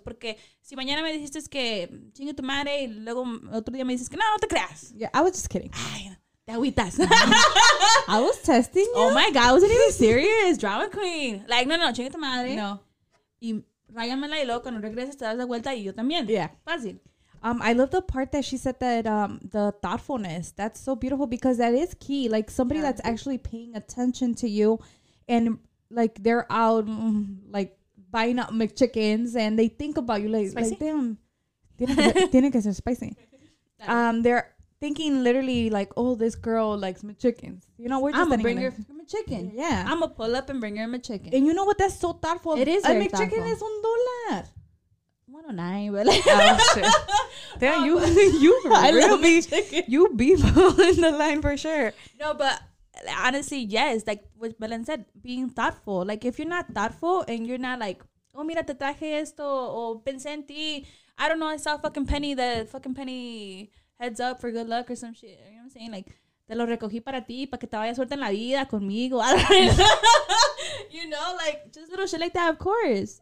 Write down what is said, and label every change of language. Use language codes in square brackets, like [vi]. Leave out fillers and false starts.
[es] Porque si mañana me dijiste que chingue tu madre y luego otro día me dices que no, no te creas. [en] Yeah, I was just kidding. [es] Ay, te agüitas. [en] I was testing you. Oh my God, I wasn't even serious. Drama queen. Like, no, [es] chingue tu madre. No. Y rayamela y luego cuando regreses te das la vuelta y yo también. [en] Yeah. [es] Fácil. [en] I love the part that she said that the thoughtfulness, that's so beautiful because that is key. Like somebody that's actually paying attention to you and like they're out like buying up McChickens and they think about you like, spicy? Like damn, [es] tiene que ser spicy. [en] They're thinking literally like, oh, this girl likes McChickens. You know, we're just going to bring her McChicken. Yeah. I'm going to pull up and bring her a McChicken. And you know what? That's so thoughtful. It is a McChicken thoughtful. Is $1. 109, but like, damn, you really, you beef on the line for sure. No, but honestly, yes, like what Belen said, being thoughtful. Like, if you're not thoughtful and you're not like [es] oh, mira, te traje esto, o pensé en ti. [en] I don't know, I saw fucking Penny, the fucking Penny heads up for good luck or some shit. You know what I'm saying? [es] Like, te lo recogí para ti, para que te vaya suerte en la vida conmigo. [en] I don't know. You know, like, just little shit like that, of course.